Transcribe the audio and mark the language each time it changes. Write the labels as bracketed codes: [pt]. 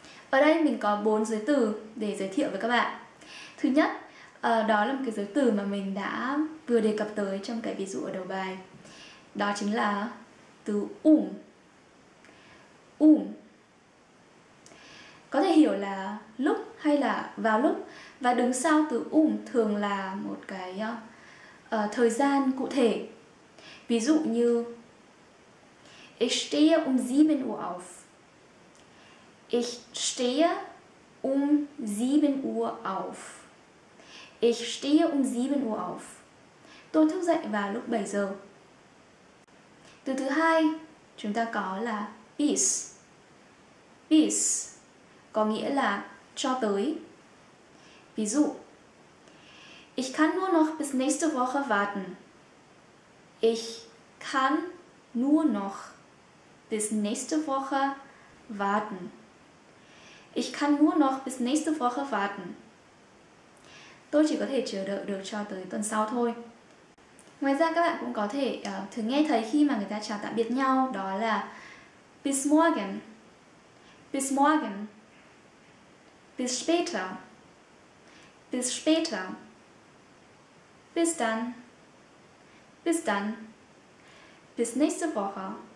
[vi] Ở đây mình có 4 giới từ để giới thiệu với các bạn. Thứ nhất, đó là một cái giới từ mà mình đã vừa đề cập tới trong cái ví dụ ở đầu bài. Đó chính là từ um. Có thể hiểu là lúc hay là vào lúc. Và đứng sau từ thường là một cái thời gian cụ thể. Ví dụ như [de] Ich stehe um 7 Uhr auf. Ich stehe um 7 Uhr auf. [vi] Tôi thức dậy vào lúc 7 giờ. Từ thứ hai chúng ta có là bis. có nghĩa là cho tới. Ví dụ: [de] Ich kann nur noch bis nächste Woche warten. Ich kann nur noch bis nächste Woche warten. Ich kann nur noch bis nächste Woche warten. [vi] Tôi chỉ có thể chờ đợi được cho tới tuần sau thôi. Ngoài ra các bạn cũng có thể thường nghe thấy khi mà người ta chào tạm biệt nhau, đó là [de] bis morgen, bis morgen, bis später, bis später, bis dann, bis nächste Woche,